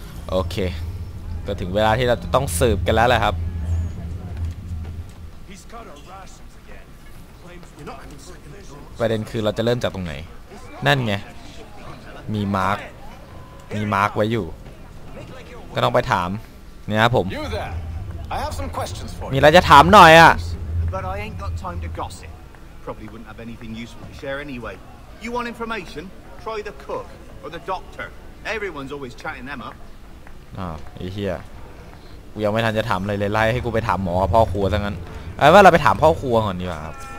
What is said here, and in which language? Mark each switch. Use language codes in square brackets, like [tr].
[th] โอเคก็ถึงเวลาที่เราจะต้องสืบกันแล้วแหละครับประเด็นคือเราจะเริ่มจากตรงไหนนั่นไงมีมาร์คไว้อยู่ก็ต้องไปถามเนี่ยครับผมมี อะไรจะถามหน่อยอ่ะ [en] But I ain't got time to gossip. Probably wouldn't have anything useful to share anyway. You want information? Try the cook or the doctor. Everyone's always chatting them up. [th] ไอ้เหี้ยกูยังไม่ทันจะถามอะไรเลยไล่ให้กูไปถามหมอพ่อครัวซะงั้นไอ้ว่าเราไปถามพ่อครัวก่อนดีกว่าครับ